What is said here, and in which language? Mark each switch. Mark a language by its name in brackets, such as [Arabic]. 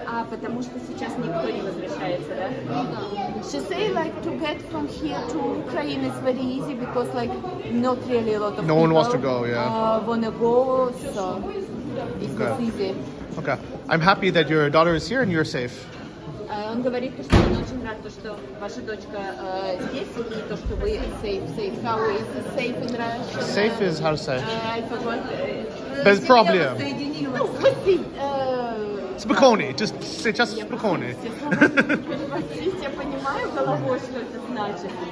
[Russian] Потому что сейчас никто не возвращается, да? Да. [English] She say, like, to get from here to Ukraine is very easy because, like, not really a lot of no No one wants to go, yeah. Wanna go, so it's easy. Okay. I'm happy that your daughter is here and you're safe. [Russian] Он говорит, что он очень рад, что ваша дочка здесь, и то, что вы [English] safe. How is it safe in Russia? Safe is how to say. I forgot. [Russian] Без проблем. Я воссоединилась. [English] No, but [Russian] Спокойно, [English] just say just [Russian] спокойно. Я понимаю головой, что это значит.